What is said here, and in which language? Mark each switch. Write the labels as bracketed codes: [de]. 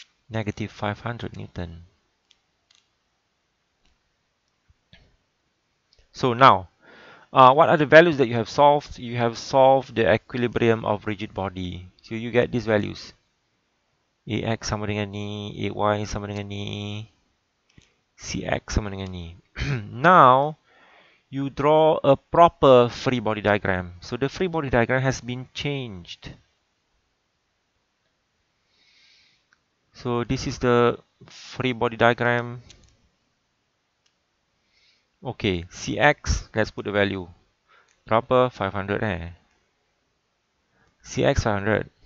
[en] Negative 500 newton. So now, what are the values that you have solved? You have solved the equilibrium of rigid body. So you get these values. [ms] Ax sama dengan ni, Ay sama dengan ni, Cx sama dengan ni. [en] Now, you draw a proper free body diagram. So the free body diagram has been changed. So this is the free body diagram. Okay, CX, let's put the value. Proper 500 eh. CX 500.